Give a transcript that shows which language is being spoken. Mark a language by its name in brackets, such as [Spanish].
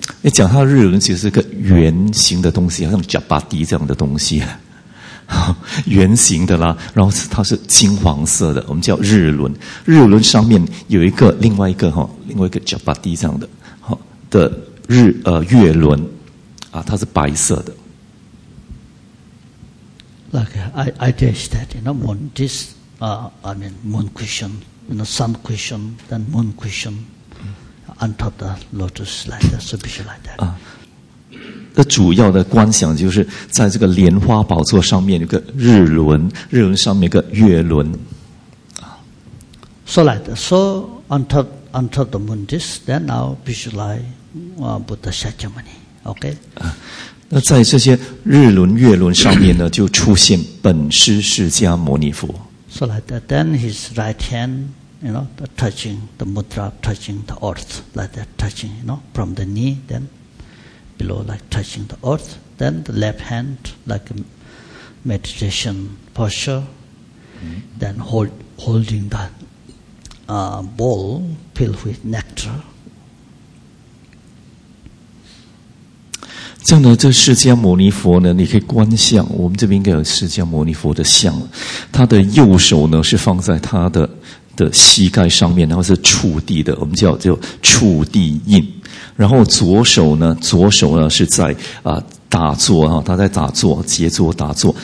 [Chinese] 你讲它的日轮其实是个圆形的东西，好像贾巴迪这样的东西，圆形的啦。然后它是金黄色的，我们叫日轮。日轮上面有一个另外一个贾巴迪这样的的月轮啊，它是白色的。 [English] Like I guess that you know moon this I mean moon cushion, you know sun cushion, then moon cushion. On top the lotus like that, so picture like that. [Chinese] 的主要的观想就是在这个莲花宝座上面有个日轮，日轮上面有个月轮。 [English] So like that. So on top the moon disk, then now visualize Buddha Shakyamuni. Okay. [Chinese] 那在这些日轮、月轮上面呢，就出现本师释迦牟尼佛。 [English] So like that. Then his right hand. You know, the touching the mudra, touching the earth, like that, touching, you know, from the knee, then below, like touching the earth, then the left hand, like a meditation posture, then holding the bowl filled with nectar. [Chinese] 这样的，这释迦牟尼佛呢，你可以观相，我们这边应该有释迦牟尼佛的相，他的右手呢是放在他的。的膝盖上面，然后是触地的，我们叫就触地印。然后左手呢是在打坐啊，他在打坐，结坐打坐。